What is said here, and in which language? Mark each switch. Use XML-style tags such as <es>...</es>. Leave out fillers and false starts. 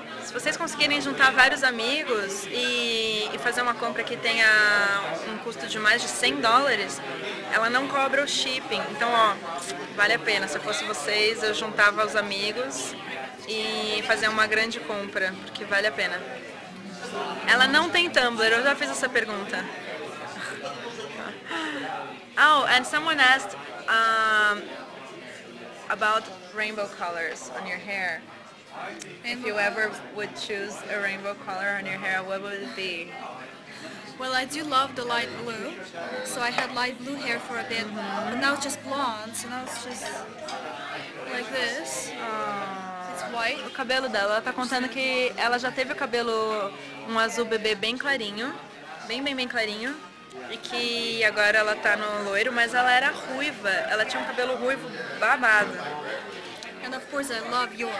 <pt>Se vocês conseguirem juntar vários amigos e fazer uma compra que tenha um custo de mais de $100, ela não cobra o shipping. Então, ó, vale a pena. Se fosse vocês, eu juntava os amigos e fazia uma grande compra, porque vale a pena. Ela não tem Tumblr, eu já fiz essa pergunta.</pt> <en>Oh, and someone asked about rainbow colors on your hair. If you ever would choose a rainbow color on your hair, what would it be? Well, I do love the light blue, so I had light blue hair for a bit, mm-hmm. but now it's just blonde, so now it's just like this. It's white.</en> <pt>O cabelo dela, ela tá contando que ela já teve o cabelo um azul bebê bem clarinho, bem clarinho. E que agora ela tá no loiro, mas ela era ruiva. Ela tinha um cabelo ruivo babado.</pt> <en>And of course I love yours.</en>